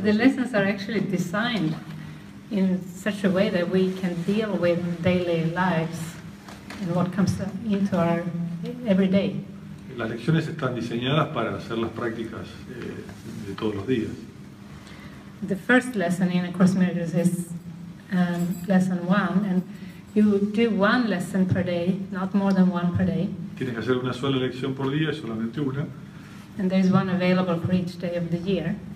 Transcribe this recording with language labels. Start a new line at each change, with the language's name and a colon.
English: The lessons are actually designed in such a way that we can deal with daily lives. And what comes into our everyday.
Spanish: Las lecciones están diseñadas para hacer las prácticas de todos los días.
English: The first lesson in A Course in Miracles is lesson one, and you do one lesson per day, not more than one per day.
Spanish: Tienes que hacer una sola lección por día, solamente una.
English: And there is one available for each day of the year.